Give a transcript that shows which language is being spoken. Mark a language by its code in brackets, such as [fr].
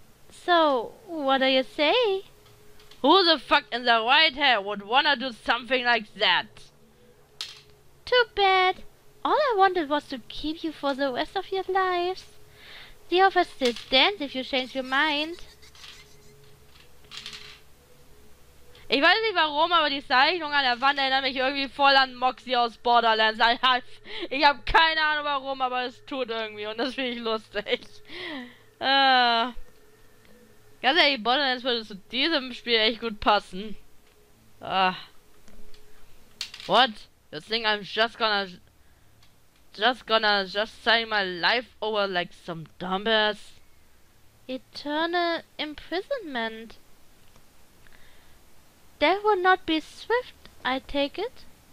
[en] So, what do you say? Who the fuck in the right head would wanna do something like that? Too bad. All I wanted was to keep you for the rest of your lives. The offer still stands if you change your mind. [de] Ich weiß nicht warum, aber die Zeichnung an der Wand erinnert mich irgendwie voll an Moxie aus Borderlands. Ich hab keine Ahnung warum, aber es tut irgendwie und das finde ich lustig. Ganz ehrlich, Borderlands würde zu diesem Spiel echt gut passen. [en] What? You think I'm just sign my life over like some dumbass? Eternal imprisonment. Death would not be swift, I take it.